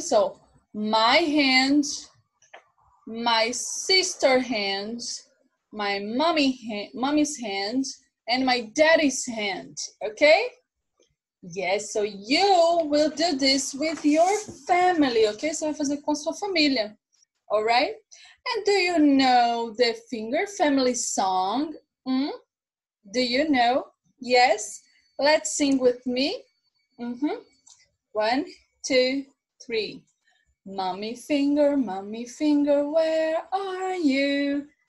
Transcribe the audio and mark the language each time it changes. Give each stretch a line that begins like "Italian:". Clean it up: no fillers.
English: So my hands, my sister's hands, my mommy's hands, and my daddy's hands, okay? Yes, so you will do this with your family, okay?
Portuguese: Você vai fazer com a sua família, all right?
English: And do you know the finger family song? Do you know? Yes, let's sing with me. 1, 2, 3. Mommy finger, where are you?